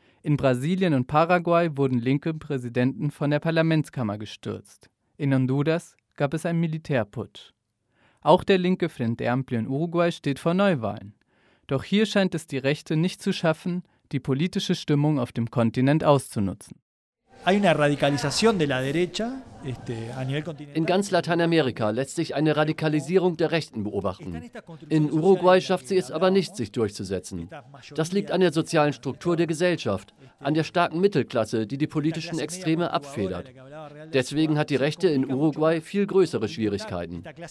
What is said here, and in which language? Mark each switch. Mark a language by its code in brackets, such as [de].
[de] In Brasilien und Paraguay wurden linke Präsidenten von der Parlamentskammer gestürzt. In Honduras gab es einen Militärputsch. Auch der linke Frente Amplio in Uruguay steht vor Neuwahlen. Doch hier scheint es die Rechte nicht zu schaffen, die politische Stimmung auf dem Kontinent auszunutzen. [es] Hay una radicalización de la derecha. [de] In ganz Lateinamerika lässt sich eine Radikalisierung der Rechten beobachten. In Uruguay schafft sie es aber nicht, sich durchzusetzen. Das liegt an der sozialen Struktur der Gesellschaft, an der starken Mittelklasse, die die politischen Extreme abfedert. Deswegen hat die Rechte in Uruguay viel größere Schwierigkeiten.